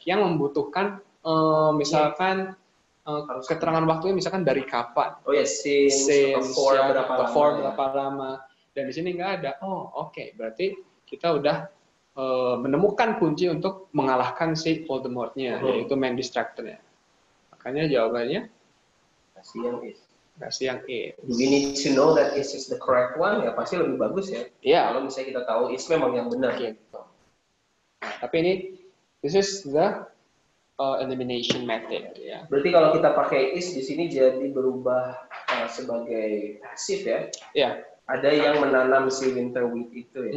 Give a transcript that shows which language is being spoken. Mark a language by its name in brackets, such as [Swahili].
[Indonesian] Yang membutuhkan misalkan harus keterangan waktunya misalkan dari kapan. [English] Oh yes, since [Indonesian] berapa lama. Dan di sini nggak ada. Oh, oke. Okay. Berarti kita udah menemukan kunci untuk mengalahkan si Voldemort-nya yaitu main distractor-nya. Makanya jawabannya kasih yang is. [English] Do we need to know that is the correct one? [Indonesian] Ya pasti lebih bagus ya. Iya. Yeah. Kalau misalnya kita tahu is memang yang benar. Okay. Tapi ini, [English] this is the elimination method. [Indonesian] Ya. Berarti kalau kita pakai is di sini jadi berubah sebagai passive ya? Iya. Yeah. Ada yang menanam si winter wheat itu ya?